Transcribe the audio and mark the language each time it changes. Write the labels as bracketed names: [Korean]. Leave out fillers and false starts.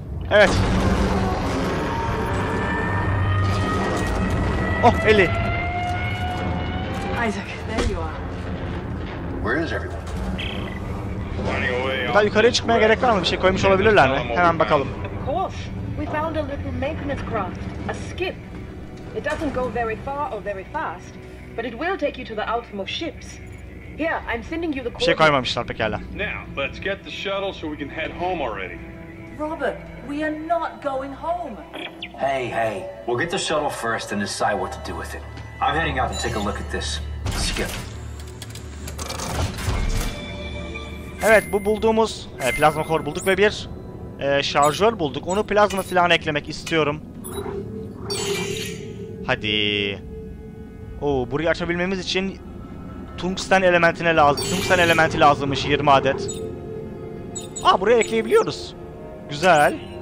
[Turkish] Evet. [English] Oh, Ellie. Isaac, there you are. Where is everyone? [Turkish] Daha yukarıya çıkmaya gerek var mı? Bir şey koymuş olabilirler mi? Hemen bakalım. [English] We found a little maintenance craft, a skip. It doesn't go very far or very fast, but it will take you to the outermost ships. Here, I'm sending you the. [Turkish] Bir şey koymamışlar pekala. [English] Now, let's get the shuttle so we can head home already. Robert, we are not going home. Hey, we'll get the shuttle first and decide what to do with it. I'm heading out to take a look at this skip. [Turkish] Evet, bu bulduğumuz plazma core bulduk ve bir şarjör bulduk. Onu plazma silahına eklemek istiyorum. Hadi. Oo, burayı açabilmemiz için tungsten elementine lazım. Tungsten elementi lazımmış 20 adet. Aa, buraya ekleyebiliyoruz. Güzel.